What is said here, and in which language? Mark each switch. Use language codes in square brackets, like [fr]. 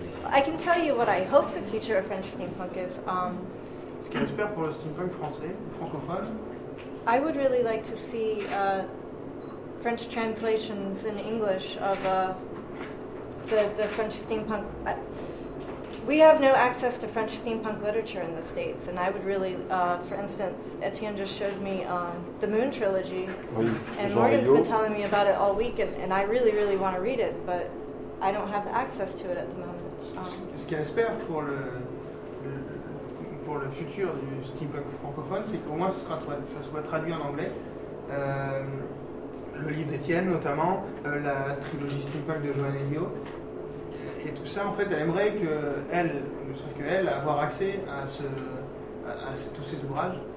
[en] I can tell you what I hope the future of French steampunk is. [fr] Ce qu'il espère pour le steampunk français, francophone. [en] I would really like to see French translations in English of the French steampunk. We have no access to French steampunk literature in the States, and I would really, for instance, Etienne just showed me The Moon Trilogy, [fr] oui, [en] and Jean Morgan's Rio. Been telling me about it all week, and I really, really want to read it, but I don't have the access to it at the moment. [fr] Ce qu'il espère pour le futur du steampunk francophone, c'est qu'au moins ça soit traduit en anglais. Le livre d'Étienne, notamment, la trilogie steampunk de Joanne Hennio. Et tout ça, en fait, elle aimerait qu'elle, ne serait-ce qu'elle, avoir accès à tous ces ouvrages.